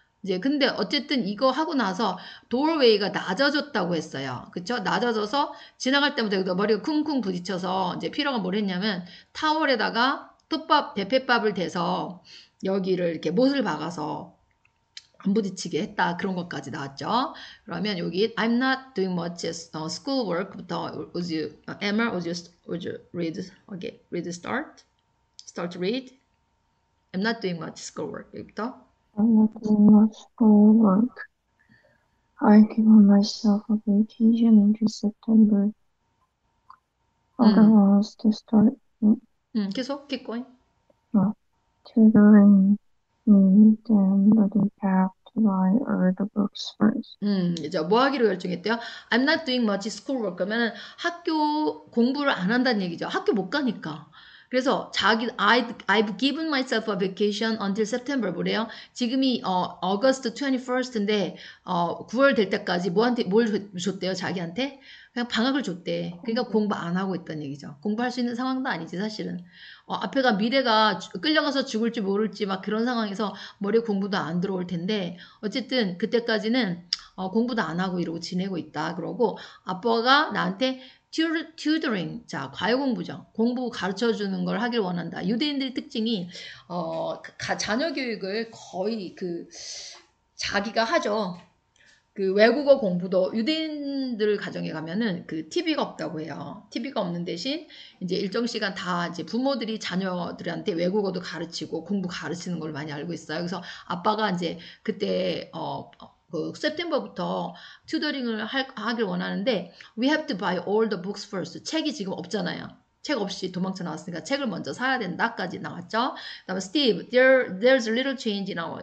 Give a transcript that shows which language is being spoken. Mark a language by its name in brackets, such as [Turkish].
[Korean] 이제, 근데 어쨌든 이거 하고 나서 도어웨이가 낮아졌다고 했어요. 그쵸? 낮아져서 지나갈 때마다 머리가 쿵쿵 부딪혀서 이제 피러가 뭘 했냐면, 타월에다가 톱밥, 대패밥을 대서 여기를 이렇게 못을 박아서 안 부딪히게 했다. 그런 것까지 나왔죠. 그러면 여기, [English] I'm not doing much school work부터, Emma, would you read, okay, read start? Start read. I'm not doing much school work부터. I'm not doing much schoolwork. I've given myself a vacation until September. Father wants to start [Korean] 계속, [English] keep going. tutoring me, then, but he has to buy all the books first. [Korean] 이제 뭐 하기로 결정했대요? [English] I'm not doing much schoolwork. [Korean] 그러면 학교 공부를 안 한다는 얘기죠. 학교 못 가니까. 그래서 자기 [English] I've given myself a vacation until September [Korean] 뭐래요? 지금이 August 21st인데 9월 될 때까지 뭐한테 뭘 줬대요? 자기한테? 그냥 방학을 줬대. 그러니까 공부 안 하고 있다는 얘기죠. 공부할 수 있는 상황도 아니지 사실은. 앞에가 미래가 끌려가서 죽을지 모를지 막 그런 상황에서 머리에 공부도 안 들어올 텐데 어쨌든 그때까지는 공부도 안 하고 이러고 지내고 있다. 그러고 아빠가 나한테 튜터링, 과외 공부죠. 공부 가르쳐 주는 걸 하길 원한다. 유대인들의 특징이 자녀 교육을 거의 자기가 하죠. 그 외국어 공부도 유대인들 가정에 가면은 그 TV가 없다고 해요. TV가 없는 대신 이제 일정 시간 다 이제 부모들이 자녀들한테 외국어도 가르치고 공부 가르치는 걸 많이 알고 있어요. 그래서 아빠가 이제 그때 그 September부터 튜터링을 하길 원하는데 [English] we have to buy all the books first. [Korean] 책이 지금 없잖아요. 책 없이 도망쳐 나왔으니까 책을 먼저 사야 된다까지 나왔죠. 그다음에 [English] Steve, there's a little change now.